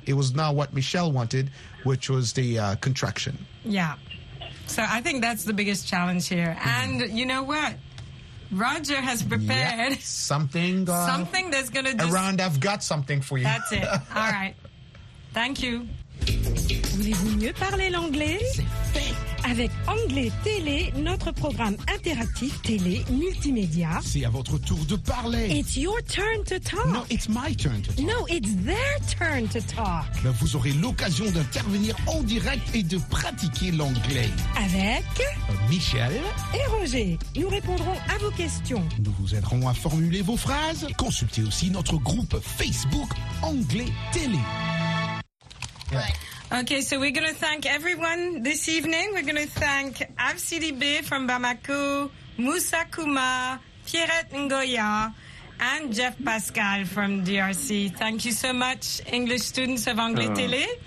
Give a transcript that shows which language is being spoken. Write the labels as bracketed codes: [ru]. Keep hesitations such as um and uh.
[en] It was not what Michelle wanted, which was the uh, contraction. Yeah. So I think that's the biggest challenge here. And you know what? Roger has prepared Something. Uh, something that's going to do. around. I've got something for you. That's it. All right. Thank you. [fr] Voulez-vous mieux parler l'anglais Avec Anglais Télé, notre programme interactif télé multimédia. C'est à votre tour de parler. [en] It's your turn to talk. No, it's my turn. to- No, it's their turn to talk. [fr] Ben, vous aurez l'occasion d'intervenir en direct et de pratiquer l'anglais. Avec Euh, Michel, et Roger, nous répondrons à vos questions. nous vous aiderons à formuler vos phrases. Consultez aussi notre groupe Facebook Anglais Télé. [en] Okay, so we're going to thank everyone this evening. We're going to thank Avsidi B from Bamako, Moussa Kuma, Pierrette Ngoya, and Jeff Pascal from DRC. Thank you so much, English students of Anglais Uh, Télé.